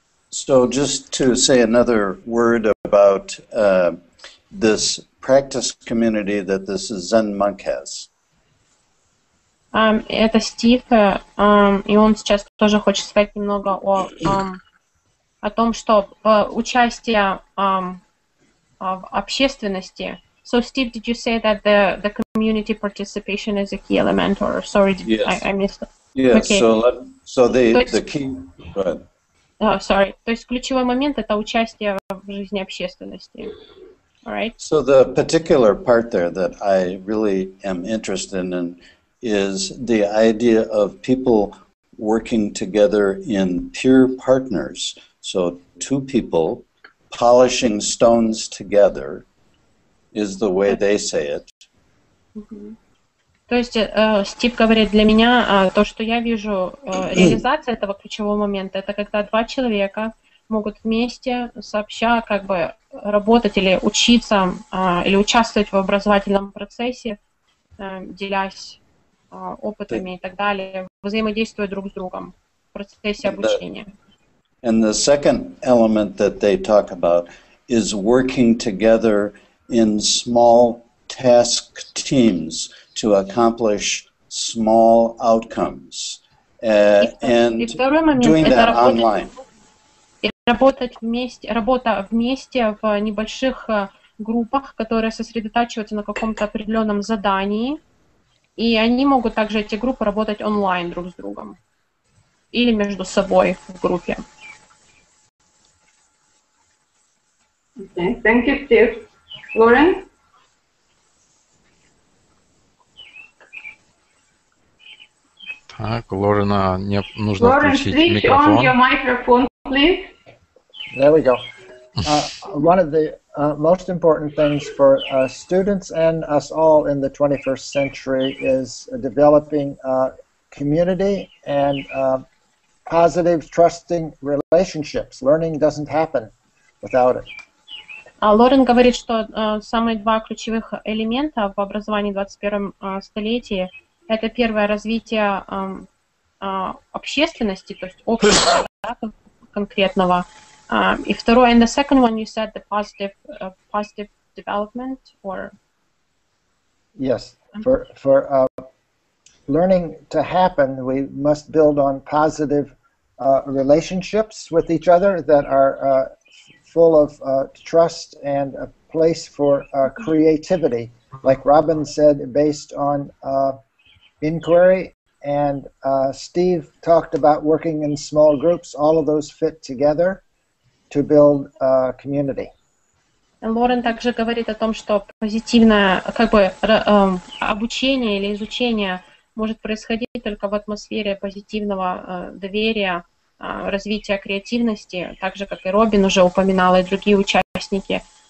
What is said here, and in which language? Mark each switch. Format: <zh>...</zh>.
<en>So just to say another word about this practice community that this Zen monk has.</en> <ru>Это Стив, и он сейчас тоже хочет сказать немного о том, что участие в общественности.</ru> <en>So Steve, did you say that the community participation is a key element, or sorry, yes. I missed. Yes. Okay. So the key. Go ahead. Oh, sorry.</en> <ru>То есть ключевой момент это участие в жизни общественности.</ru> <en>All right. So the particular part there that I really am interested in is the idea of people working together in peer partners. So two people polishing stones together is the way they say it. Mm-hmm.</en> <ru>То есть Стив говорит, для меня то, что я вижу реализация этого ключевого момента, это когда два человека могут вместе сообща как бы работать или учиться или участвовать в образовательном процессе, делясь опытами и так далее, взаимодействуя друг с другом в процессе обучения.</ru> <en>And the second element that they talk about is working together in small task teams to accomplish small outcomes. And doing that online.</en> <ru>Работать вместе, работа вместе в небольших группах, которые сосредотачиваются на каком-то определенном задании, И они могут также, эти группы, работать онлайн друг с другом. Или между собой в группе.</ru> <en>Okay, thank you, Steve. Lauren?</en> <ru>Так, Лорена, мне нужно включить микрофон.</ru> <en>Lauren, switch on your microphone, please. There we go. One of the most important things for students and us all in the 21st century is developing community and positive, trusting relationships. Learning doesn't happen without it.</en> <ru>Лорен говорит, что самые два ключевых элемента в образовании в 21-м столетии – это первое – развитие общественности, то есть общества конкретного. И второе,</ru> <en>and the second one, you said the positive, positive development, or? Yes, for learning to happen, we must build on positive relationships with each other that are full of trust and a place for creativity, like Robin said, based on inquiry, and Steve talked about working in small groups. All of those fit together to build a community.</en> <ru>Лорен также говорит о том, что позитивное как бы обучение или изучение может происходить только в атмосфере позитивного доверия, развития креативности, так же, как и Робин уже упоминал, и другие участники.</ru>